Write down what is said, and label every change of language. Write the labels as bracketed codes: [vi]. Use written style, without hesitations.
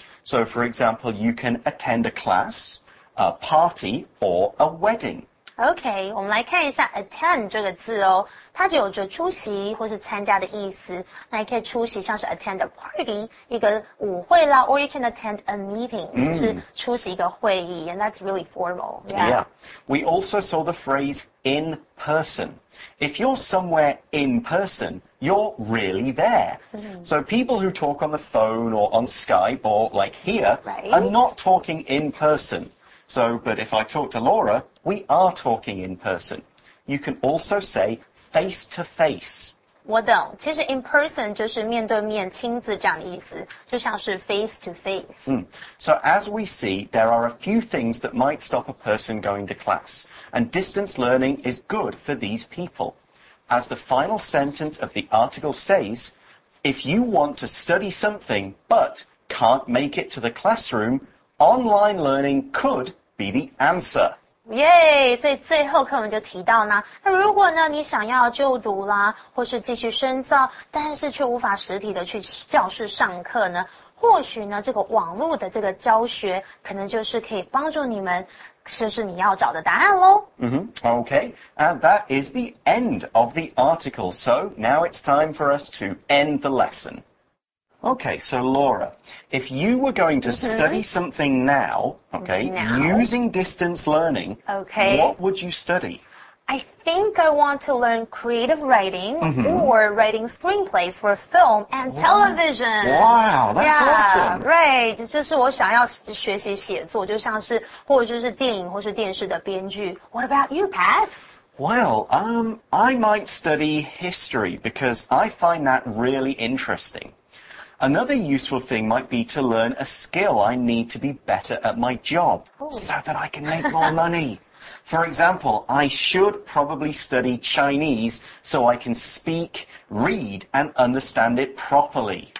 [en] So, for example, you can attend a class, a party, or a wedding. [zh] Okay, 我们来看一下 attend 这个字哦，它就有着出席或是参加的意思。那也可以出席像是 [en] attend a party, [zh] 一个舞会啦 [en] or you can attend a meeting, [zh] 就是出席一个会议 [en] and that's really formal. Yeah, we also saw the phrase in person. If you're somewhere in person,You're really there. So people who talk on the phone or on Skype or like here, right, are not talking in person. So, but if I talk to Laura, we are talking in person. You can also say face to face. [zh] 我懂，其实 in person 就是面对面亲自这样的意思，就像是 face to face. [en] So as we see, there are a few things that might stop a person going to class. And distance learning is good for these people. As the final sentence of the article says, if you want to study something but can't make it to the classroom, online learning could be the answer. Yay! [zh] 所以最后课文就提到呢，那如果呢你想要就读啦，或是继续深造，但是却无法实体的去教室上课呢，或许呢这个网络的这个教学可能就是可以帮助你们就是你要找的答案咯。 [en] Okay, and that is the end of the article. So now it's time for us to end the lesson. Okay, so Laura, if you were going to study something now, okay, now? Using distance learning, okay, what would you study? I think I want to learn creative writing or writing screenplays for film and television. Wow, that's awesome. [zh] Right, 这是我想要学习写作，就像是或者就是电影或是电视的编剧。 [en] What about you, Pat? Well, I might study history because I find that really interesting. Another useful thing might be to learn a skill I need to be better at my job so that I can make more money. For example, I should probably study Chinese so I can speak, read, and understand it properly.